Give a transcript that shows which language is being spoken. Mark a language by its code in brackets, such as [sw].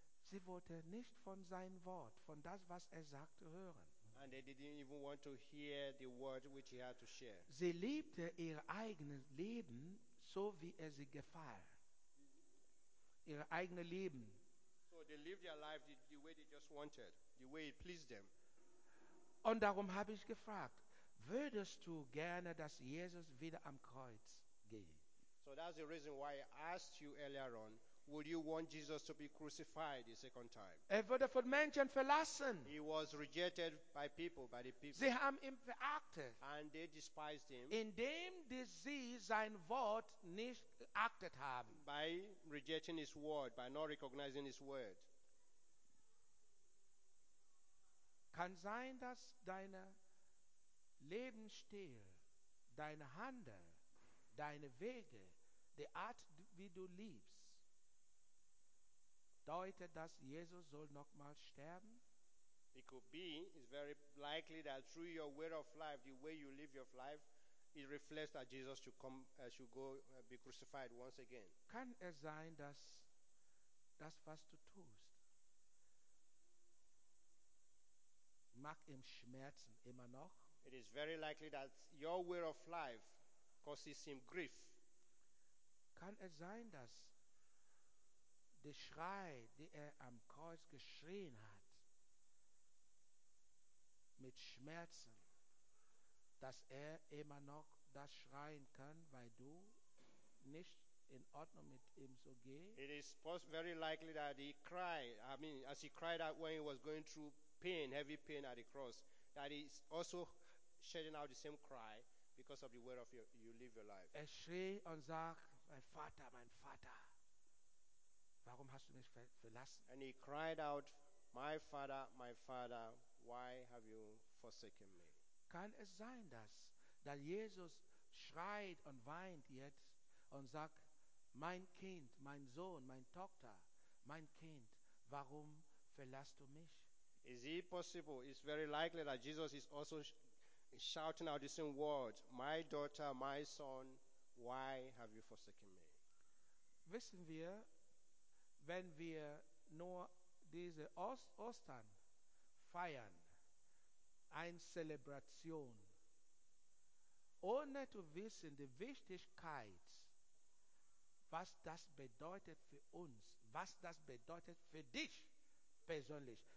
[de] Sie wollte nicht von seinem Wort, von das, was er sagte, hören. [en] And they didn't even want to hear the word which he had to share. [de] Sie liebte ihr eigenes Leben so wie er sie gefiel. Ihr eigenes Leben. [en] So they lived their life the way they just wanted, the way it pleased them. [de] Und darum habe ich gefragt, würdest du gerne, dass Jesus wieder am Kreuz gehe? [en] So that's the reason why I asked you earlier on, would you want Jesus to be crucified the second time? [de] Er wurde von Menschen verlassen. [en] He was rejected by people, by the people. [de] Sie haben ihn verachtet. [en] And they despised him. [de] Indem sie sein Wort nicht geachtet haben. [en] By rejecting his word, by not recognizing his word. [de] Kann sein, dass dein Lebensstil, deine Hände, deine Wege, die Art, wie du liebst, deutet, dass Jesus soll nochmal sterben? [en] It could be, it's very likely that through your way of life, the way you live your life, it reflects that Jesus should be crucified once again. [de] Kann es sein, dass das, was du tust, mag ihm Schmerzen immer noch? [en] It is very likely that your way of life causes him grief. [de] Kann es sein, dass der Schrei, den er am Kreuz geschrien hat, mit Schmerzen, dass er immer noch das schreien kann, weil du nicht in Ordnung mit ihm so gehst? [en] It is very likely that as he cried out when he was going through pain, heavy pain at the cross, that he is also shedding out the same cry because of the way of you live your life. [de] Er schrie und sagt, mein Vater, warum hast du mich verlassen? [en] And he cried out, my father, why have you forsaken me? [de] Kann es sein, dass Jesus schreit und weint jetzt und sagt, mein Kind, mein Sohn, mein Tochter, mein Kind, warum verlässt du mich? [en] Is it possible? It's very likely that Jesus is also shouting out the same words, "My daughter, my son, why have you forsaken me?" [de] Wissen wir, wenn wir nur diese Ostern feiern, eine Celebration, ohne zu wissen die Wichtigkeit, was das bedeutet für uns, was das bedeutet für dich persönlich.